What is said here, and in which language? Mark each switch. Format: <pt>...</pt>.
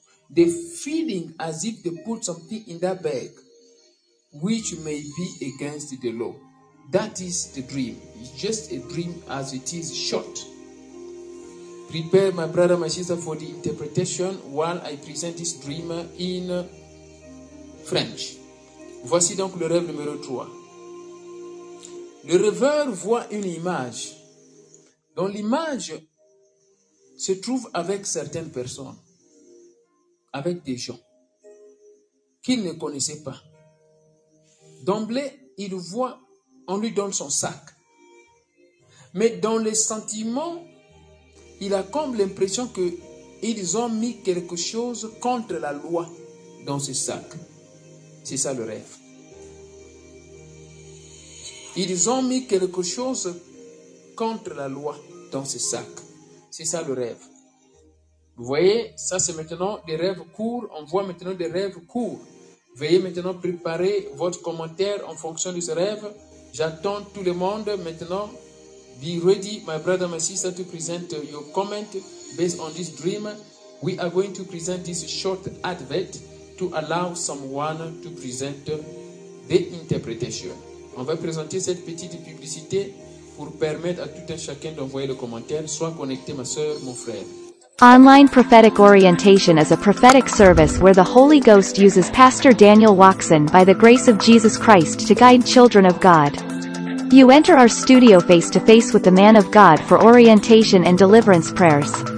<en>The feeling as if they put something in that bag, which may be against the law. That is the dream. It's just a dream as it is short. Prepare my brother, my sister, for the interpretation while I present this dream in French.</en> <fr>Voici donc le rêve numéro 3. Le rêveur voit une image dont l'image se trouve avec certaines personnes, avec des gens qu'il ne connaissait pas. D'emblée, il voit, on lui donne son sac. Mais dans les sentiments, il a comme l'impression qu'ils ont mis quelque chose contre la loi dans ce sac. C'est ça le rêve. Ils ont mis quelque chose contre la loi dans ce sac. C'est ça le rêve. Vous voyez, ça c'est maintenant des rêves courts. On voit maintenant des rêves courts. Veuillez maintenant préparer votre commentaire en fonction de ce rêve. J'attends tout le monde maintenant.</fr> <en>Be ready, my brother, my sister, to present your comment based on this dream. We are going to present this short advert to allow someone to present the interpretation.</en> <fr>On va présenter cette petite publicité pour permettre à tout un chacun d'envoyer le commentaire. Sois connecté, ma soeur, mon frère.</fr> <en>Online Prophetic Orientation is a prophetic service where the Holy Ghost uses Pastor Daniel Waxon by the grace of Jesus Christ to guide children of God. You enter our studio face to face with the man of God for orientation and deliverance prayers.</en>